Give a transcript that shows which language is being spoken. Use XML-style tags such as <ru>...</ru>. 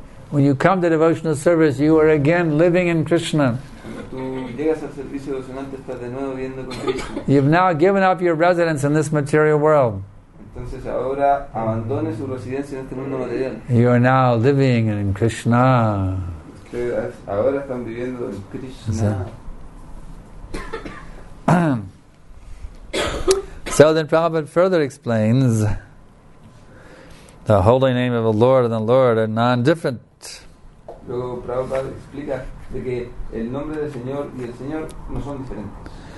<en>When you come to devotional service, you are again living in Krishna. You have now given up your residence in this material world.</en> <es>Entonces ahora abandone su residencia en este mundo material.</es> <en>You are now living in Krishna.</en> <es>Ahora están viviendo en Krishna.</es> <en>So then Prabhupada further explains, the holy name of the Lord are non-different.</en> <es>Luego Prabhupada explica de que el nombre del Señor y el Señor no son diferentes.</es>